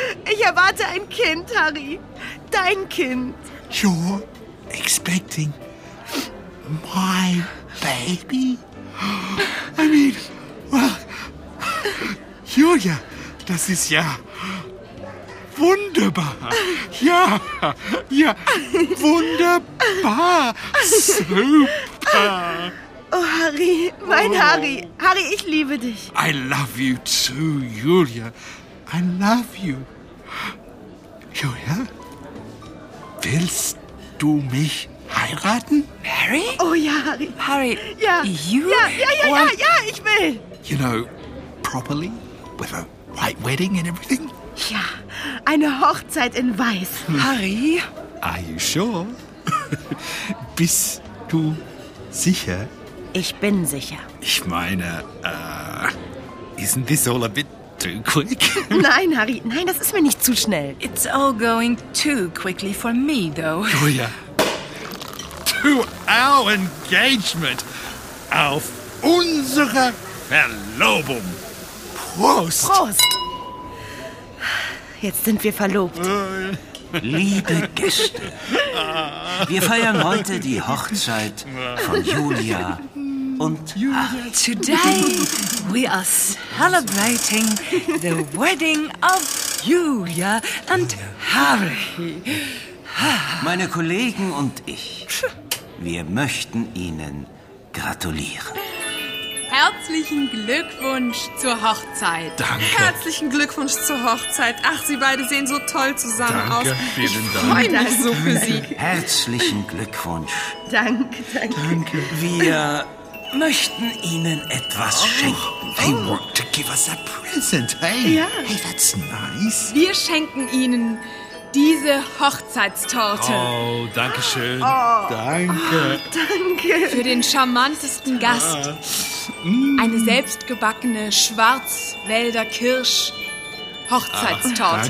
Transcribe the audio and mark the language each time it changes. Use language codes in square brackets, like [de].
[de] Ich erwarte ein Kind, Harry. Dein Kind. [en] You're expecting my baby? I mean, well, Julia, [de] das ist ja wunderbar. Ja, ja, wunderbar. Super. Oh, Harry, mein Harry. Harry, ich liebe dich. [en] I love you too, Julia. I love you. [de] Julia, willst du mich heiraten? Mary? Oh ja, Harry. Harry, ja. [en] You? [de] Ja, ich will. [en] You know, properly, with a white wedding and everything? [de] Ja, eine Hochzeit in Weiß. Harry? [en] Are you sure? [de] Bist du sicher? Ich bin sicher. Ich meine, [en] isn't this all a bit... too quick? [de] Nein, Harry, nein, das ist mir nicht zu schnell. [en] It's all going too quickly for me, though. Julia, to our engagement, [de] auf unsere Verlobung. Prost! Prost! Jetzt sind wir verlobt. Liebe Gäste, wir feiern heute die Hochzeit von Julia und [en] today we are celebrating the wedding of Julia and Harry. [de] Meine Kollegen und ich, wir möchten Ihnen gratulieren. Herzlichen Glückwunsch zur Hochzeit. Danke. Herzlichen Glückwunsch zur Hochzeit. Ach, Sie beide sehen so toll zusammen danke, aus. Danke, vielen Dank. Ich freue mich so für Sie. Herzlichen Glückwunsch. Danke, danke. Danke. Wir... möchten Ihnen etwas schenken. [en] They want to give us a present, hey? [de] Ja. [en] Hey, that's nice. [de] Wir schenken Ihnen diese Hochzeitstorte. Oh, danke schön. Oh. Danke. Oh, danke. Für den charmantesten Gast. Eine selbstgebackene Schwarzwälder Kirsch Hochzeitstorte.